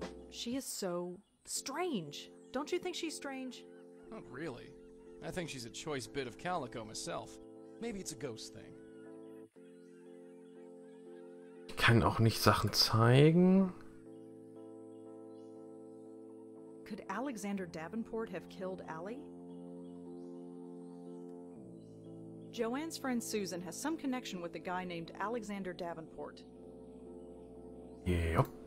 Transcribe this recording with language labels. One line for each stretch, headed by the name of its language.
English: She is so strange. Don't you think she's strange? Not really. I think she's a choice bit of calico myself. Maybe it's a ghost thing.
German: Ich kann auch nicht Sachen zeigen.
English: Could Alexander Davenport have killed Allie? Joanne's friend Susan has some connection with a guy named Alexander Davenport. Yep.